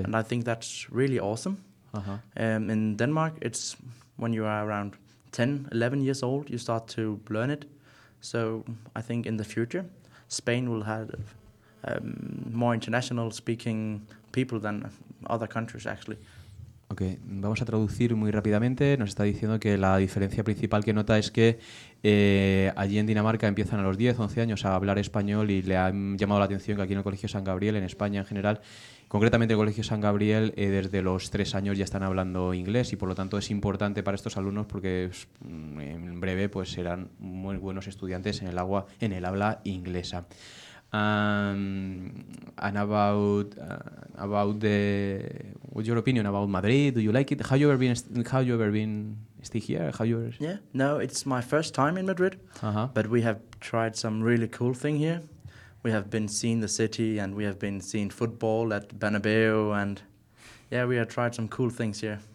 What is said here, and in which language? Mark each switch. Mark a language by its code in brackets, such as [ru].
[en] And I think that's really awesome. In Denmark, it's when you are around 10, 11 years old, you start to learn it. So I think in the future, Spain will have more international speaking people than other countries, actually. [es] Ok, vamos a traducir muy rápidamente. Nos está diciendo que la diferencia principal que nota es que allí en Dinamarca empiezan a los 10, 11 años a hablar español y le han llamado la atención que aquí en el Colegio San Gabriel, en España en general, concretamente el Colegio San Gabriel, desde los 3 años ya están hablando inglés y por lo tanto es importante para estos alumnos porque en breve pues serán muy buenos estudiantes en el agua, en el habla inglesa. [en] And about the what's your opinion about Madrid? Do you like it? How you ever been stay here? Yeah, no, it's my first time in Madrid. But we have tried some really cool thing here. We have been seeing the city and we have been seeing football at Bernabeu and yeah, we have tried some cool things here.